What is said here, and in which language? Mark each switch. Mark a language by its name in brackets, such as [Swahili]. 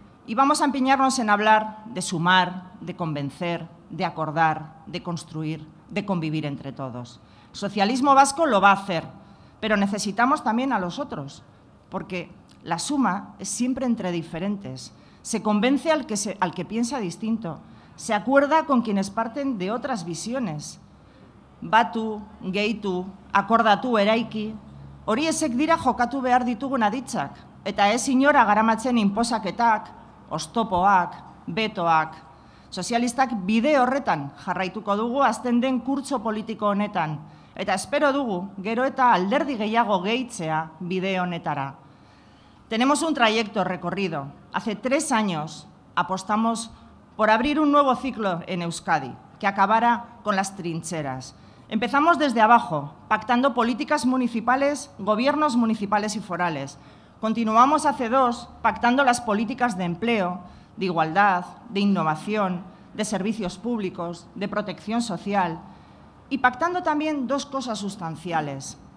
[Spanish] Y vamos a empeñarnos en hablar de sumar, de convencer, de acordar, de construir, de convivir entre todos. El socialismo vasco lo va a hacer, pero necesitamos también a los otros, porque la suma es siempre entre diferentes. Se convence al que piensa distinto. Se acuerda con quienes parten de otras visiones. [Basque] Batu, geitu, akordatu eraiki, horiek dira jokatu behar ditugun aditzak, eta ez inora garamatzen inposaketak, oztopoak, betoak. Sozialistak bide horretan jarraituko dugu azten den kurtso politiko honetan, eta espero dugu gero eta alderdi gehiago gehitzea bide honetara. [Spanish] Tenemos un trayecto recorrido. Hace 3 años apostamos por abrir un nuevo ciclo en Euskadi, que acabara con las trincheras. Empezamos desde abajo, pactando políticas municipales, gobiernos municipales y forales. Continuamos hace 2, pactando las políticas de empleo, de igualdad, de innovación, de servicios públicos, de protección social y pactando también 2 cosas sustanciales.